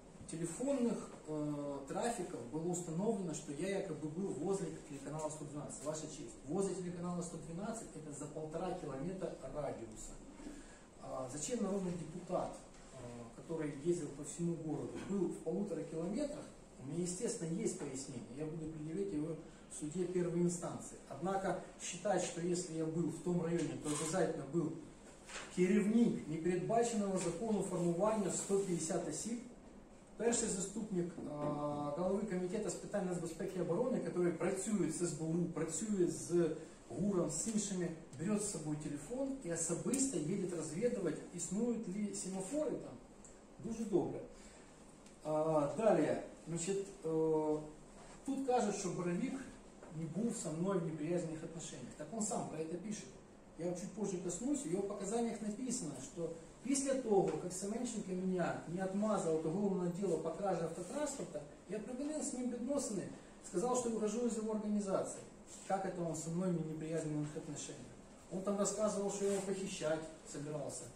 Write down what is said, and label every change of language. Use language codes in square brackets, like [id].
[ru] Телефонных трафиков было установлено, что я якобы был возле телеканала 112. Ваша честь. Возле телеканала 112 это за 1,5 километра радиуса. Зачем народный депутат, который ездил по всему городу, был в 1,5 километрах, у меня, естественно, есть пояснение. Я буду предъявлять его в суде первой инстанции. Однако считать, что если я был в том районе, то обязательно был [uk] керівник непредбаченного закону формування 150 осіб, перший заступник голови комітету з питань нацбезпеки і оборони, який працює з СБУ, працює з ГУРом, з іншими, бере з собою телефон і особисто їде розвідувати, існують ли семафори там. Дуже добре. Далі, значить, тут кажуть, що Боровик не був со мною [ru] в неприязненных отношениях. Так он сам про это пишет. Я чуть позже коснусь, в его показаниях написано, что после того, как Семенченко меня не отмазал от уголовного дела по краже автотранспорта, я провел с ним відносини, сказал, что угрожу из его организации. Как это он со мной в неприязненных отношениях? Он там рассказывал, что я его похищать собирался.